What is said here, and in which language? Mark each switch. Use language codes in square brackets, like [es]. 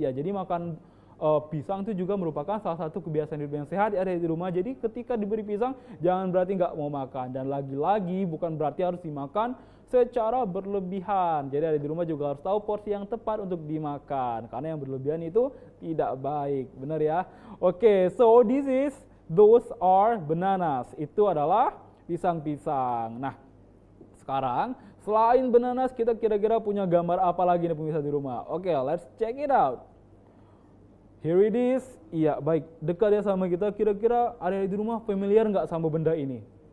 [id] Ya, jadi makan pisang itu juga merupakan salah satu kebiasaan hidup yang sehat ada di rumah. Jadi ketika diberi pisang jangan berarti nggak mau makan, dan lagi-lagi bukan berarti harus dimakan secara berlebihan. Jadi ada di rumah juga harus tahu porsi yang tepat untuk dimakan karena yang berlebihan itu tidak baik. Benar ya? [en] Oke, so this is those are bananas. [id] Itu adalah pisang-pisang. Nah, sekarang selain bananas kita kira-kira punya gambar apa lagi nih pemirsa di rumah? Oke, [en] let's check it out. Here it is. [id] Iya, baik. Dekat ya sama kita. Kira-kira ada di rumah familiar nggak sama benda ini?